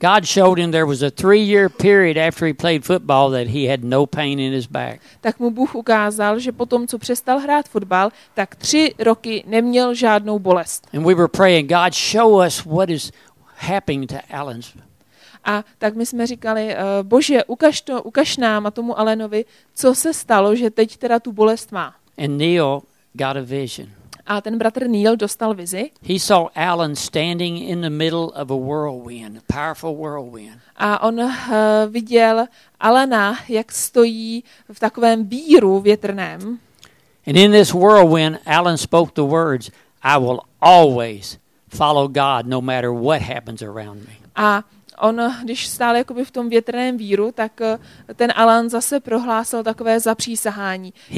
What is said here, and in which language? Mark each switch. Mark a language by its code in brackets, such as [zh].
[en] God showed him there was a 3-year period after he played football that he had no pain in his back. [cs] Tak mu Bůh ukázal, že potom co přestal hrát fotbal, tak 3 roky neměl žádnou bolest. [en] And we were praying, God show us what is happening to Alan's. [cs] A tak my jsme říkali, Bože, ukaž nám a tomu Alanovi, co se stalo, že teď teda tu bolest má. [en] And Neil got a vision. [cs] A ten bratr Neil dostal vizi. [en] He saw Alan standing in the middle of a whirlwind, a powerful whirlwind. [cs] A on viděl Alana, jak stojí v takovém víru větrném. [en] And in this whirlwind, Alan spoke the words, "I will always follow God, no matter what happens around me." [cs] A on, když stál jakoby v tom větrném víru, tak ten Alan zase prohlásil takové zapřísahání.